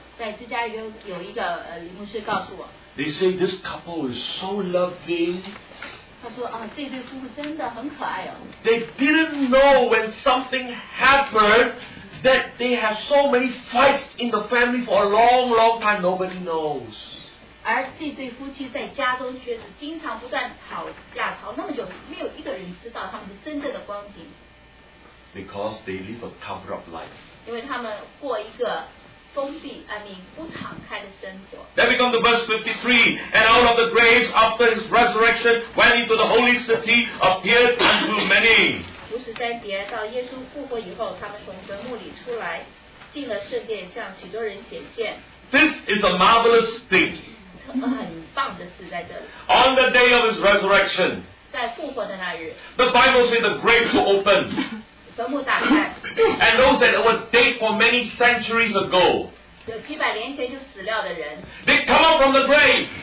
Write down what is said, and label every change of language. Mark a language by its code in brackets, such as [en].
[en] They say this couple is so loving. They didn't know when something happened, that they have so many fights in the family for a long, long time, nobody knows. [zh] 而这对夫妻在家中却是经常不断吵架，吵那么久，没有一个人知道他们真正的光景。 [en] Because they live a cover-up life. [zh] 因为他们过一个封闭，不敞开的生活。 [en] Then we come to verse 53, and out of the grave after his resurrection went into the holy city, appeared unto many. [zh] 五十三节到耶稣复活以后，他们从坟墓里出来，进了圣殿，向许多人显现。 [en] This is a marvelous thing. On the day of his resurrection, the Bible says the graves were opened. And those that were dead for many centuries ago, they come up from the grave.